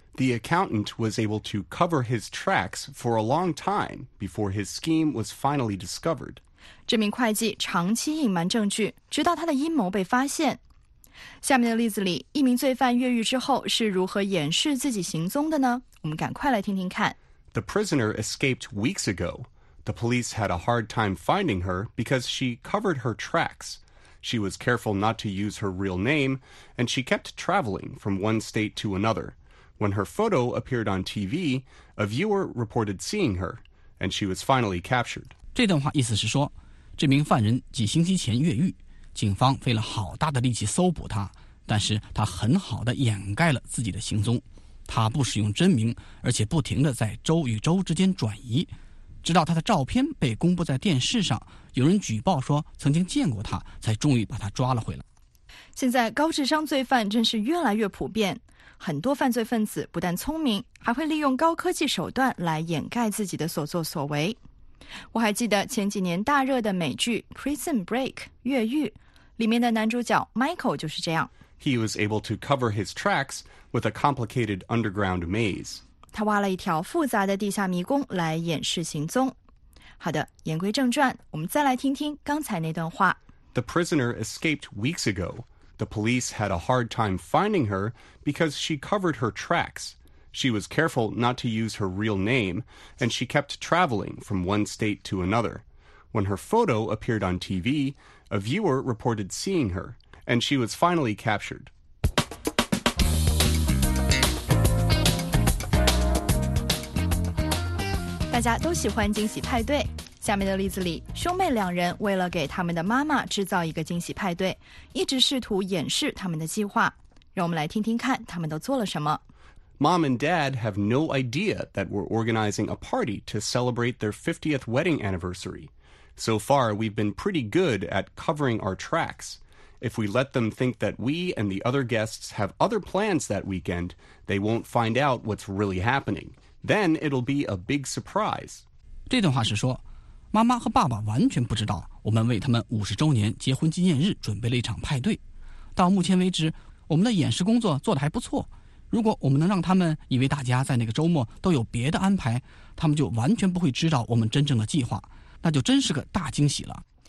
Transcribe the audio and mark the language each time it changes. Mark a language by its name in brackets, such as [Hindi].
[English] The accountant was able to cover his tracks for a long time before his scheme was finally discovered. [Chinese] 这名会计长期隐瞒证据，直到他的阴谋被发现。下面的例子里，一名罪犯越狱之后是如何掩饰自己行踪的呢？我们赶快来听听看。 [English] The prisoner escaped weeks ago. The police had a hard time finding her because she covered her tracks. She was careful not to use her real name, and she kept traveling from one state to another. When her photo appeared on TV, a viewer reported seeing her, and she was finally captured. [Chinese] 这段话意思是说，这名犯人几星期前越狱，警方费了好大的力气搜捕他，但是他很好地掩盖了自己的行踪。他不使用真名，而且不停地在州与州之间转移，直到他的照片被公布在电视上，有人举报说曾经见过他，才终于把他抓了回来。现在高智商罪犯真是越来越普遍，很多犯罪分子不但聪明，还会利用高科技手段来掩盖自己的所作所为。我还记得前几年大热的美剧 Prison Break 越狱，里面的男主角 Michael 就是这样。 [English] He was able to cover his tracks with a complicated underground maze. [Chinese] 他挖了一条复杂的地下迷宫来掩饰行踪。好的，言归正传，我们再来听听刚才那段话。 [English] The prisoner escaped weeks ago. The police had a hard time finding her because she covered her tracks. She was careful not to use her real name, and she kept traveling from one state to another. When her photo appeared on TV, a viewer reported seeing her, and she was finally captured. [Chinese] 大家都喜欢惊喜派对。下面的例子里，兄妹两人为了给他们的妈妈制造一个惊喜派对，一直试图掩饰他们的计划。让我们来听听看他们都做了什么。 [English] Mom and Dad have no idea that we're organizing a party to celebrate their 50th wedding anniversary. So far, we've been pretty good at covering our tracks. If we let them think that we and the other guests have other plans that weekend, they won't find out what's really happening. Then it'll be a big surprise. [Chinese] 这段话是说，妈妈和爸爸完全不知道我们为他们50周年结婚纪念日准备了一场派对。到目前为止，我们的演示工作做得还不错。如果我们能让他们以为大家在那个周末都有别的安排，他们就完全不会知道我们真正的计划，那就真是个大惊喜了。